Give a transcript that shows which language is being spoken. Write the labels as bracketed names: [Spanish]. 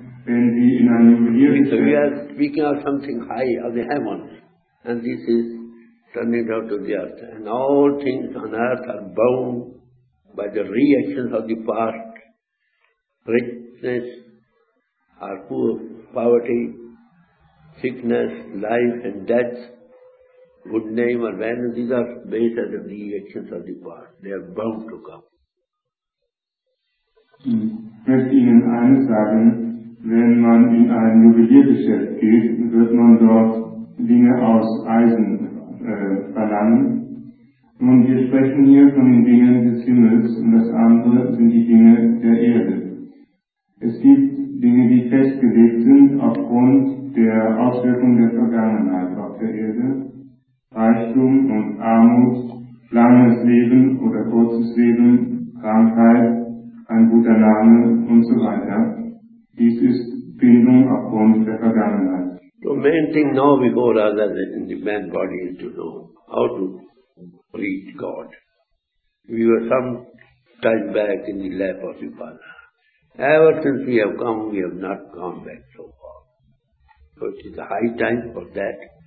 [English] So we are speaking of something high of the heavens, and this is turning down to the earth, and all things on earth are bound by the reactions of the past, richness or poor, poverty, sickness, life and death, good name or vanity, these are based on the reactions of the past. They are bound to come. [German] Ich möchte Ihnen eines sagen, wenn man in ein Juweliergeschäft geht, wird man dort Dinge aus Eisen verlangen. Und wir sprechen hier von den Dingen des Himmels und das andere sind die Dinge der Erde. Es gibt Dinge, die festgelegt sind aufgrund der Auswirkung der Vergangenheit auf der Erde. Reichtum und Armut, langes Leben oder kurzes Leben, Krankheit, ein guter Name und so weiter. Dies ist Bindung aufgrund der Vergangenheit. [English] The main thing now before other than the man body is to know how to reach God. We were some time back in the lap of the Father. Ever since we have come, we have not gone back so far. So it is a high time for that.